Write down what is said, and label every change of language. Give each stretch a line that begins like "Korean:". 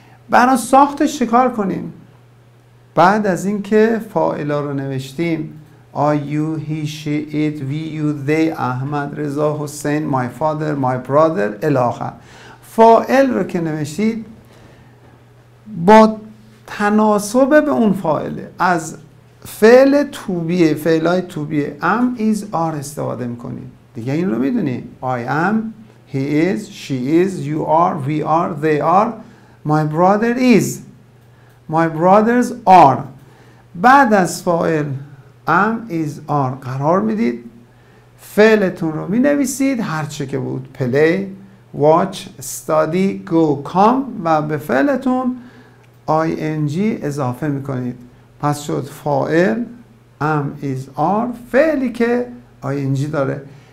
Persian: برا ساختش چیکار کنیم؟ بعد از اینکه فاعلا رو نوشتیم، are you, he, she, it, we, you, they, احمد، رضا، حسین،
English: my father, my brother،
Persian: الاخر، فاعل رو که نوشتید با تناسب به اون فاعله، از فعل to be، فعلای to be، am، is، are استفاده میکنید. دیگه این رو میدونی،
English: I am، he is، she is، you are، we are، they are، my brother is، my brothers are.
Persian: بعد از فاعل am، is، are قرار میدید، فعلتون رو مینویسید، هرچه که بود، play، watch، study، go، come، و به فعلتون ing اضافه میکنید. پس شد فاعل am، is، are، فعلی که ing داره.